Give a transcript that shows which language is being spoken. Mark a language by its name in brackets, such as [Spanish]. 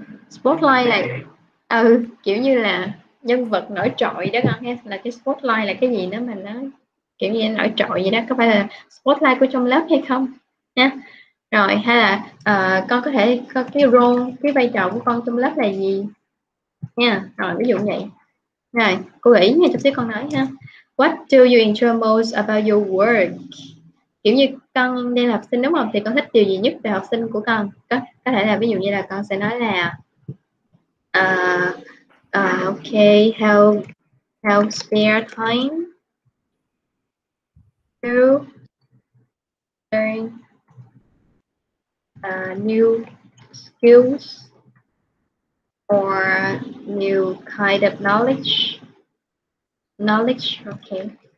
[Vietnamese] Spotlight like kiểu như là nhân vật nổi trội đó con ha, là cái spotlight là cái gì đó mà nó kiểu như nổi trội vậy đó, có phải là spotlight của trong lớp hay không nha. Rồi hay là con có thể có cái role, cái vai trò của con trong lớp là gì nha. Rồi ví dụ vậy. Rồi cô nghĩ nha, chút xíu con nói ha. [English] What do you enjoy most about your work? [Vietnamese] Kiểu như con đây là học sinh đúng không, thì con thích điều gì nhất về học sinh của con? Có thể là ví dụ như là con sẽ nói là [English] okay, how spare time to learn new skills or new kind of knowledge. Okay.